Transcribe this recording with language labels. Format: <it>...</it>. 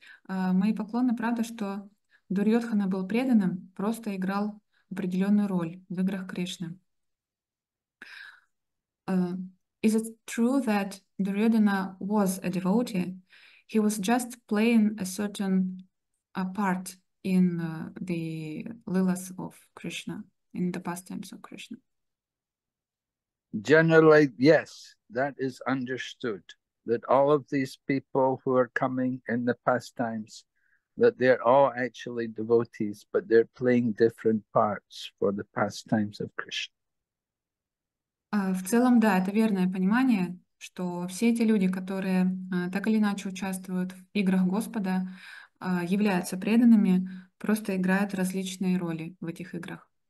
<ru>Мои поклоны, правда, что Дурьотхана был преданным, просто играл определенную роль в играх Кришны.</ru> <en>Is it true that Duryodhana was a devotee? He was just playing a certain part in the lilas of Krishna, in the pastimes of Krishna. Generally, yes, that is understood, that all of these people who are coming in the pastimes, that they're all actually devotees, but they're playing different parts for the pastimes of Krishna.</en> <ru>В целом, да, это верное понимание, что все эти люди, которые так или иначе участвуют в играх Господа, являются преданными, просто играют различные роли в этих играх.</ru>